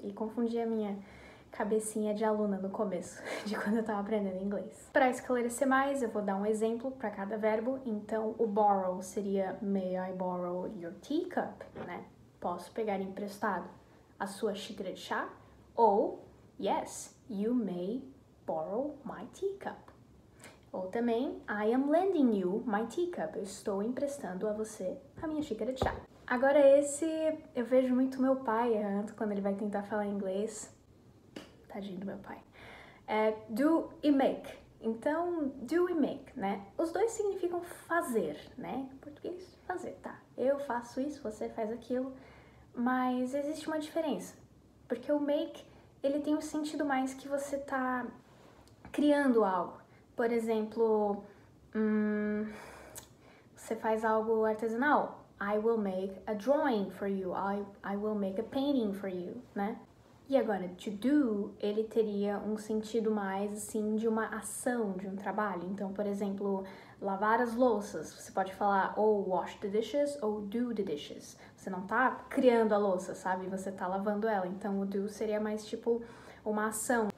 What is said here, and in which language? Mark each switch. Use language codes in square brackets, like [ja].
[pt] E confundi a minha cabecinha de aluna no começo, de quando eu tava aprendendo inglês. Para esclarecer mais, eu vou dar um exemplo para cada verbo. Então, o borrow seria [en] may I borrow your teacup, [pt] né? Posso pegar emprestado a sua xícara de chá? [en] Ou, yes, you may borrow my teacup. Ou também, I am lending you my teacup. [pt] Eu estou emprestando a você a minha xícara de chá. Agora esse, eu vejo muito meu pai errando quando ele vai tentar falar inglês. Tadinho do meu pai. É do e make. Então, do e make, né? Os dois significam fazer, né? Em português, fazer, tá. Eu faço isso, você faz aquilo. Mas existe uma diferença. Porque o make, ele tem um sentido mais que você tá criando algo. Por exemplo, você faz algo artesanal. [en] I will make a drawing for you. I will make a painting for you, né? [pt] E agora, to do, ele teria um sentido mais, assim, de uma ação, de um trabalho. Então, por exemplo, lavar as louças. Você pode falar ou [en] wash the dishes [pt] ou [en] do the dishes. [pt] Você não tá criando a louça, sabe? Você tá lavando ela. Então, o do seria mais, tipo, uma ação.